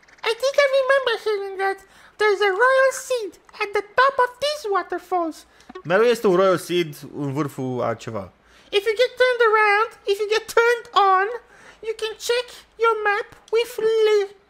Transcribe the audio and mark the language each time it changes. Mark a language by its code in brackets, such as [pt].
[en] I think I remember hearing that there's a royal seed at the top of these waterfalls. [ro] Mereu este un royal seed în vârful a ceva. [en] If you get turned around, if you get turned on, you can check your map with Lee.